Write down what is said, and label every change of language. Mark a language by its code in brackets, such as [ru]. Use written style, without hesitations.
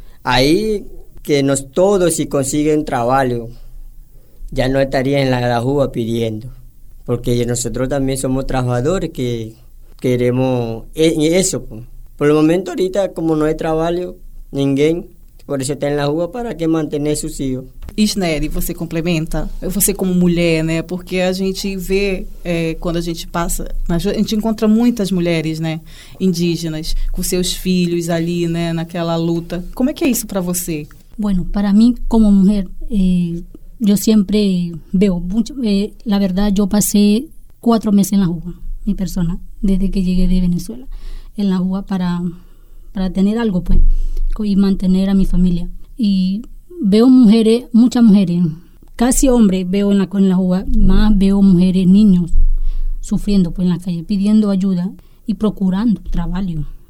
[es] Ahí que nos todos si consiguen trabajo, ya no estaría en la rúa pidiendo. Porque nosotros también somos trabajadores que queremos eso. Por el momento ahorita, como no hay trabajo, ninguém, por eso está en la rúa, para que mantener sus hijos. [pt] Isnery, você complementa? Você como mulher, né? Porque a gente vê, quando a gente passa, a gente encontra muitas mulheres, né, indígenas, com seus filhos ali, né, naquela luta. Como é que é isso para você? [es] Bueno, [pt] para mim, como mulher, eu sempre [es] veo, la verdad, yo pasé 4 meses en la rua, mi persona, desde que llegué de Venezuela, en la rua para tener algo, pues, y mantener a mi familia. Y veo mujeres, muchas mujeres, casi hombres veo en la rua, más veo mujeres, niños, sufriendo pues, en la calle, pidiendo ayuda y procurando trabajo.